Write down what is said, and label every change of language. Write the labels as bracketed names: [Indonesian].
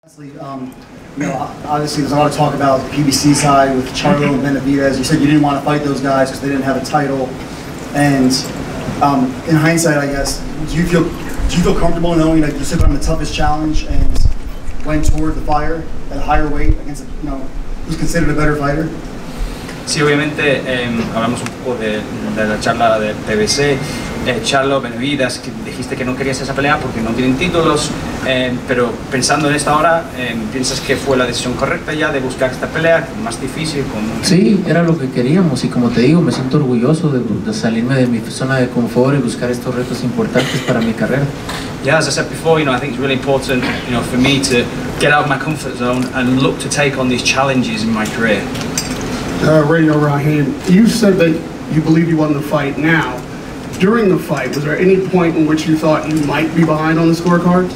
[English] Obviously, there's a lot of talk about the PBC side with Charlo and Benavidez. You said you didn't want to fight those guys because they didn't have a title. And in hindsight, I guess, do you feel comfortable knowing that you took on the toughest challenge and went toward the fire at a higher weight against who's considered a better fighter? [Spanish] Sí, obviamente, hablamos un poco de la charla de PBC. Charlo, Benavidez, que dijiste que no querías esa pelea porque no tienen títulos, pero pensando en esta hora, ¿piensas que fue la decisión correcta ya de buscar esta pelea, más difícil? Sí, era lo que queríamos y como te digo, me siento orgulloso de salirme de mi zona de confort y buscar estos retos importantes para mi carrera. [English] Yeah, as I said before, I think it's really important, for me to get out of my comfort zone and look to take on these challenges in my career. Reino Rahim, you said that you believe you won the fight now. During the fight, was there any point in which you thought you might be behind on the scorecard?